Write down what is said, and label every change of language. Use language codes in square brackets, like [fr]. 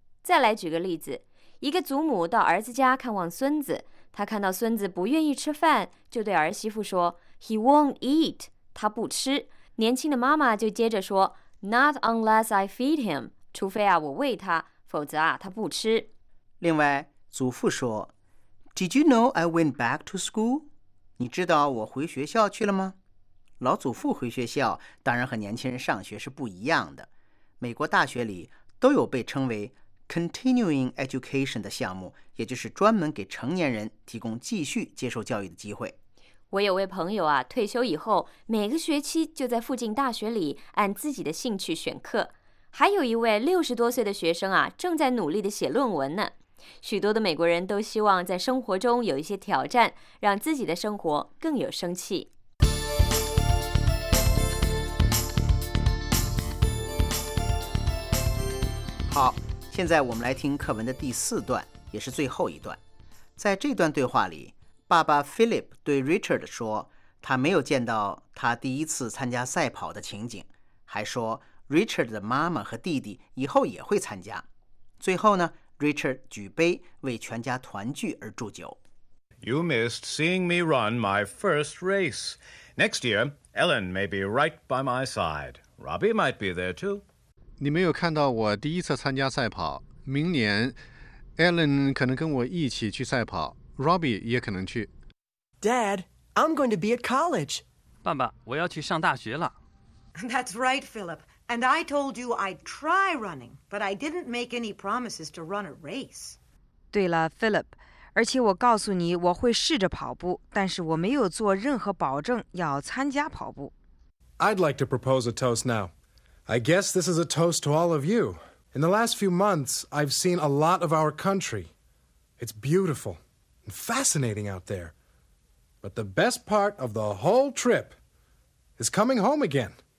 [zh] 再来举个例子，一个祖母到儿子家看望孙子，她看到孙子不愿意吃饭，就对儿媳妇说 ， [en] He won't eat， [zh] 他不吃。年轻的妈妈就接着说 ， [en] Not unless I feed him， [zh] 除非啊我喂他，否则啊他不吃。另外，祖父说 ， [en] Did you know I went back to school？ [zh] 你知道我回学校去了吗？老祖父回学校，当然和年轻人上学是不一样的。美国大学里都有被称为 continuing education 的项目，也就是专门给成年人提供继续接受教育的机会。我有位朋友啊，退休以后每个学期就在附近大学里按自己的兴趣选课。还有一位60多岁的学生啊，正在努力地写论文呢。许多的美国人都希望在生活中有一些挑战，让自己的生活更有生气。好，现在我们来听课文的第四段，也是最后一段。在这段对话里，爸爸 Philip 对 Richard 说，他没有见到他第一次参加赛跑的情景，还说 Richard 的妈妈和弟弟以后也会参加。最后呢， Richard 举杯为全家团聚而祝酒。 [en] You missed seeing me run my first race. Next year, Ellen may be right by my side. Robbie might be there too. [zh] 你没有看到我第一次参加赛跑，明年 Ellen 可能跟我一起去赛跑，Robbie 也可能去。 [en] Dad, I'm going to be at college. [zh] 爸爸，我要去上大学了。 [en] That's right, Philip. And I told you I'd try running, but I didn't make any promises to run a race. [zh] 对了 ，Philip， 而且我告诉你我会试着跑步，但是我没有做任何保证要参加跑步。 [en] I'd like to propose a toast now. I guess this is a toast to all of you. In the last few months, I've seen a lot of our country. It's beautiful. Fascinating out there. But the best part of the whole trip is coming home again.